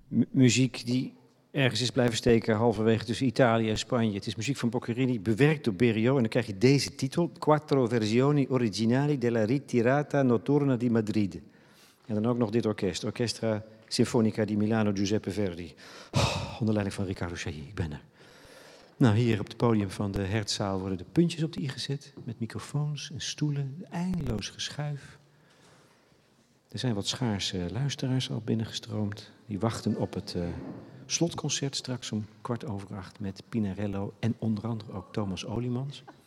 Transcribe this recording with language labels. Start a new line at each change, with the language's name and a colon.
Dutch: muziek die ergens is blijven steken halverwege tussen Italië en Spanje. Het is muziek van Boccherini, bewerkt door Berio. En dan krijg je deze titel.
Italian: Quattro versioni originali della Ritirata Notturna di Madrid.
Dutch: En dan ook nog dit orkest.
Italian: Orchestra Sinfonica di Milano Giuseppe Verdi.
Dutch: Oh, onder leiding van Riccardo Chailly. Ik ben er. Nou, hier op het podium van de Hertzaal worden de puntjes op de i gezet. Met microfoons en stoelen. Eindeloos geschuif. Er zijn wat schaarse luisteraars al binnengestroomd. Die wachten op het slotconcert straks om 8:15 met Pinarello en onder andere ook Thomas Olimans.